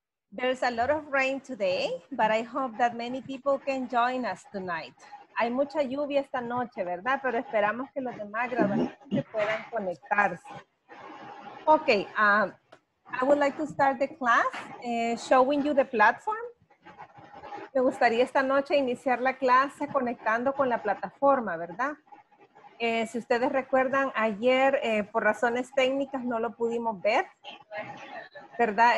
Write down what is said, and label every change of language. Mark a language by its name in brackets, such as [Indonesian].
[English] There's a lot of rain today, but I hope that many people can join us tonight. [Spanish] Hay mucha lluvia esta noche, ¿verdad? Pero esperamos que los demás graduandos puedan conectarse. [English] Okay, I would like to start the class showing you the platform. [Spanish] Me gustaría esta noche iniciar la clase conectando con la plataforma, ¿verdad? Si ustedes recuerdan, ayer por razones técnicas no lo pudimos ver, ¿verdad?